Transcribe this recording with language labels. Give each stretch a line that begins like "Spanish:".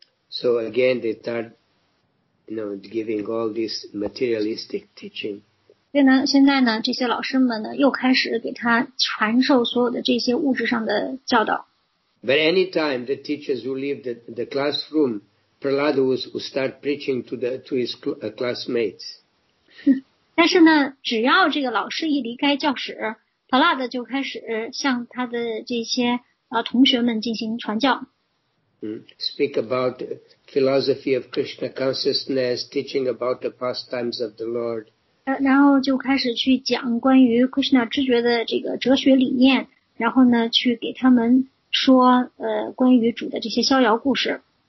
English: So again, they start, you know, giving all this materialistic teaching.
Chinese: 所以呢，现在呢，这些老师们呢，又开始给他传授所有的这些物质上的教导。
English: But any time the teachers who leave the classroom, Prahlad would start preaching to his classmates.
Chinese: 但是呢，只要这个老师一离开教室，普拉德就开始向他的这些同学们进行传教。
English: Speak about the philosophy of Krishna consciousness, teaching about the pastimes of the Lord.
Chinese: 然后就开始去讲关于 Krishna 知觉的这个哲学理念，然后呢，去给他们说关于主的这些逍遥故事。